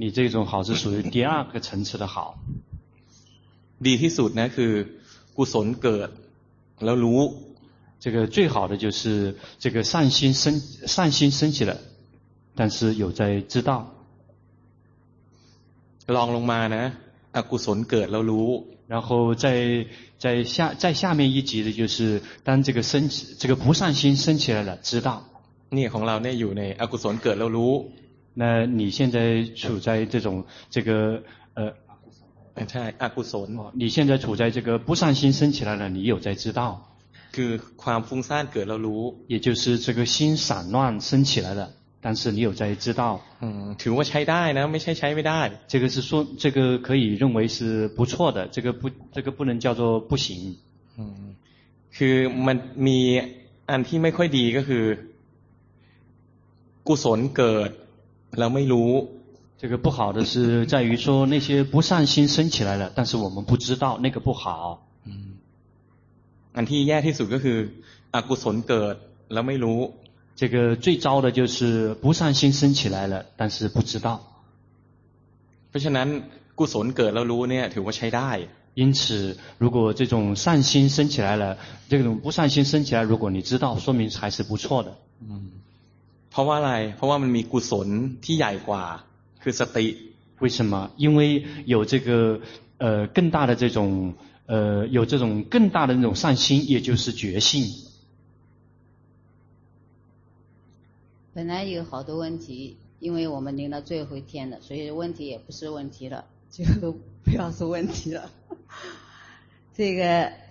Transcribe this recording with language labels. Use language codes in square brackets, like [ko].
[zh] 你这种好是属于第二个层次的好 [th] ดีที่สุดนะคือกุศลเกิดแล้วรู้ [zh] 这个最好的就是这个善心升起了但是有在知道 [th] ลองลงมานะอกุศลเกิดแล้วรู้ [zh] 然后在下面一级的就是当这个不善心升起来了知道 [th] นี่ของเราเนี่ยอยู่ในอกุศลเกิดแล้วรู้ [zh] 那你现在处在这种这个 [th] ใช่อกุศล [zh] 你现在处在这个不善心升起来了你有在知道 [th] คือความฟุ้งซ่านเกิดแล้วรู้ [zh] 也就是这个心散乱升起来了但是你有在知道 [th] ถือว่าใช้ได้นะไม่ใช่ใช้ไม่ได้ [zh] 这个是说这个可以认为是不错的这个不能叫做不行 [th] คือมันมีอันที่ไม่ค่อยดีก็คือกุศลเกิดแล้วไม่รู้ [zh] 这个不好的是在于说那些不善心升起来了但是我们不知道那个不好 [th] อันที่แย่ที่สุดก็คือกุศลเกิดแล้วไม่รู้ [zh] 这个最糟的就是不善心升起来了但是不知道 [th] เพราะฉะนั้นกุศลเกิดแล้วรู้เนี่ยถือว่าใช้ได้ [zh] 因此如果这种善心升起来了这种不善心升起来如果你知道说明还是不错的 [th] เพราะว่าอะไรเพราะว่ามันมีกุศลที่ใหญ่กว่าคือสติ [zh] 为什么因为有这个更大的这种有这种更大的那种善心也就是觉性本来有好多问题因为我们临到最后一天了所以问题也不是问题了就不要说问题了这个